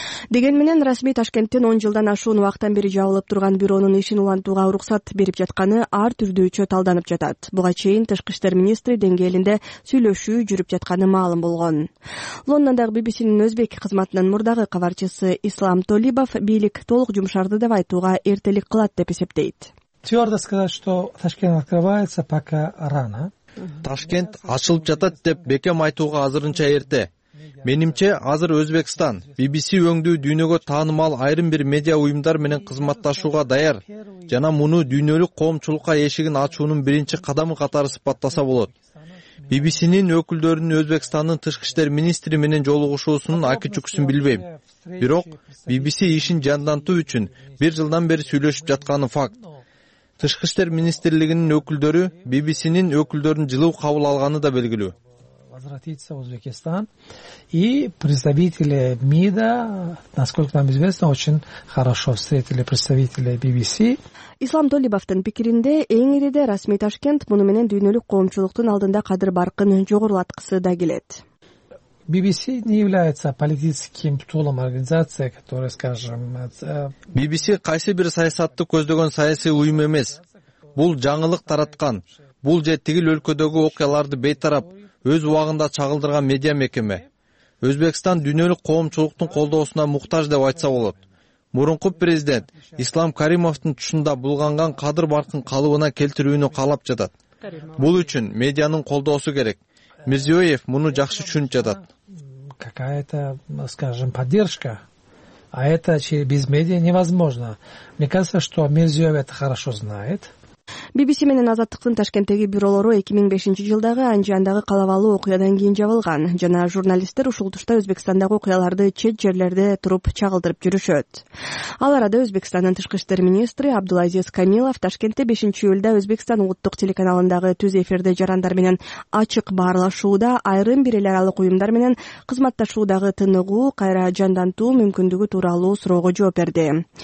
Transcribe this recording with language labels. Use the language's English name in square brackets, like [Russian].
[Kyrgyz] Деген менен расмий Ташкенттин 10 жылдан ашуун убакыттан бери жабылып турган бюронун ишин улантууга уруксат берип жатканы ар түрдүүчө талданып жатат. Буга чейин тышкы иштер министри деңгээлинде сүйлөшүү жүрүп жатканы маалым болгон. Лондондагы BBC'nin Өзбек кызматынын мурдагы кабарчысы Ислам Толибов бийлик толук жумшарды деп айтууга эртелик кылат деп эсептейт. [Russian] Твердо сказать, что Ташкент открывается, пока рано. [Kyrgyz] Ташкент ашылып жатат деп бекем айтууга азырынча эрте. Менимче азыр Өзбекстан BBC өңдүү дүйнөгө таанымал айрым бир медиа уюмдар менен кызматташууга даяр жана муну дүйнөлүк коомчулукка эшигин ачуунун биринчи кадамы катары сыпаттаса болот. BBC'nin өкүлдөрүнүн Өзбекстандын тышкы иштер министри менен жолугушуусунун акычүксүн билбейм. Бирок BBC ишин жандантуу үчүн бир жылдан бери сүйлөшүп жатканы факт. Тышкы иштер министрлигинин өкүлдөрү BBC'nin өкүлдөрүн жылуу кабыл алганы да белгилүү. [Russian] Возвратиться в Узбекистан. И представители МИДа, насколько нам известно, очень хорошо встретили представители BBC. [Kyrgyz] Ислам Толибовтун пикиринде эң ириде расмий Ташкент муну менен дүйнөлүк коомчулуктун алдында кадыр баркын жогорулаткысы да келет. [Russian] BBC не является политическим тулом организации, которая, скажем, [Kyrgyz] BBC кайсы бир саясатты көздөгөн саясий уюм эмес. Бул жаңылык тараткан, бул же тигил өлкөдөгү окуяларды бейтарап өз убагында чагылдырган медиа мекеме. Өзбекстан дүйнөлүк коомчулуктун колдоосуна муктаж деп айтса болот. Мурунку президент Ислам Каримовдун тушунда булганган кадыр баркын калыбына келтирүүнү каалап жатат. Бул үчүн медианын колдоосу керек. Мирзиёев муну жакшы түшүнүп жатат. [Russian] Какая-то, скажем, поддержка. А это без медиа невозможно. Мне кажется, что Мирзиёев это хорошо знает. [Kyrgyz] BBC менен Азаттыктын Ташкенттеги бюролору 2005 жылдагы Анжиандагы калабалуу окуядан кийин жабылган жана журналисттер ушул тушта Өзбекстандагы окуяларды чет жерлерде туруп чагылдырып жүрүшөт. Ал арада Өзбекстандын тышкы иштер министри Абдулазиз Камилов Ташкентте 5 июлда Өзбекстан улуттук телеканалындагы түз эфирде жарандар менен ачык баарлашууда айрым бир эл аралык уюмдар менен кызматташуудагы тыныгуу кайра жандантуу мүмкүндүгү тууралуу суроого жооп берди.